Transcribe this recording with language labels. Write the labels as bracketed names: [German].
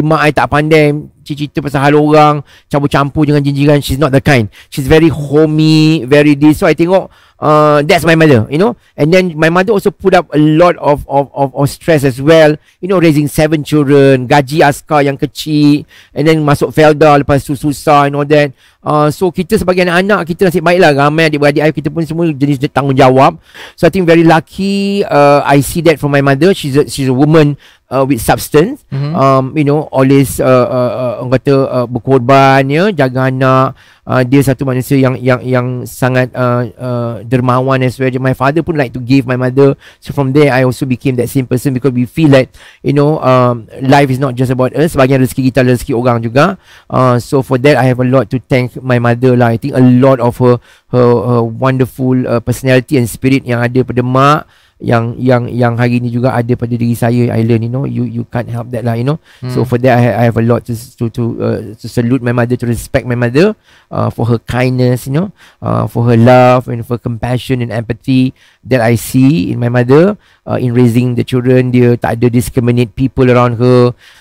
[Malay] Ma, I tak pandai cerita pasal hal orang, campur-campur dengan jinjiran. [English] She's not the kind. She's very homey, very this. So I think, oh, that's my mother, you know. And then my mother also put up a lot of stress as well, you know, raising 7 children, [Malay] gaji askar yang kecil, [English] and then [Malay] masuk Felda, lepas tu susah [English] and all that. [Malay] So kita sebagai anak-anak, kita nasib baiklah, ramai adik-beradik ayah kita pun semua jenis tanggungjawab. [English] So I think very lucky, I see that from my mother. She's a woman with substance, you know, always [Malay] orang kata berkorban, ya, jaga anak. Dia satu manusia yang sangat dermawan [English] as well. My father pun like to give my mother. So from there, I also became that same person, because we feel like, you know, life is not just about us. [Malay] Sebagian rezeki kita, rezeki orang juga. [English] So for that, I have a lot to thank my mother lah. I think a lot of her wonderful personality and spirit [Malay] yang ada pada mak, yang hari ni juga ada pada diri saya. [English] I learn, you know, you can't help that lah, you know. So for that, I have a lot to salute my mother, to respect my mother for her kindness, you know, for her love and for compassion and empathy that I see in my mother in raising the children. [Malay] Dia tak ada [English] discriminate people around her.